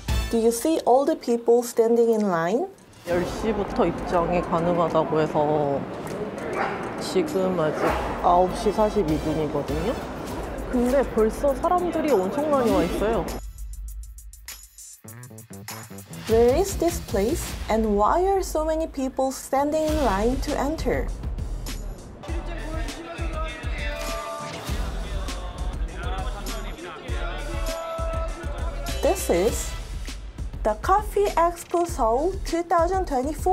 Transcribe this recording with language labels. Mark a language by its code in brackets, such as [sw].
[en] Do you see all the people standing in line? [ko] 10시부터 입장이 가능하다고 해서 지금 아직 9시 42분이거든요. 근데 벌써 사람들이 엄청 많이 와 있어요. [en] Where is this place? And why are so many people standing in line to enter? [ko] 더 커피 엑스포 서울 2024.